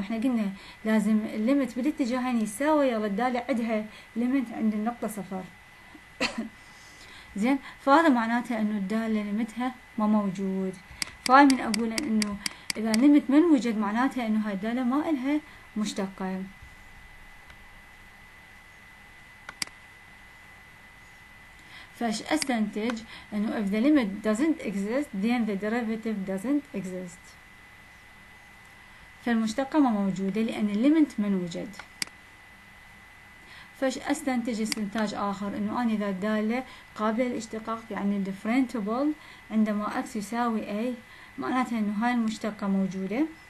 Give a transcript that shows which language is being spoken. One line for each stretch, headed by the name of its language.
Arabic: احنا قلنا لازم الليمت بالاتجاهين يساوي، يلا الدالة عندها ليمت عند النقطة صفر. زين فهذا معناته انه الدالة ليمتها ما موجود. فاهمين اقول انه اذا ليمت ما وجد معناته انه هاي الدالة ما الها مشتقة. فش استنتج انه
English: if the limit doesn't exist then the derivative doesn't exist.
Arabic: فالمشتقة ما موجودة لأن الليمت من وجد. فش أستنتج استنتاج آخر إنه أنا إذا الدالة قابلة للاشتقاق يعني differentiable عندما x يساوي a معناتها إنه هاي المشتقة موجودة.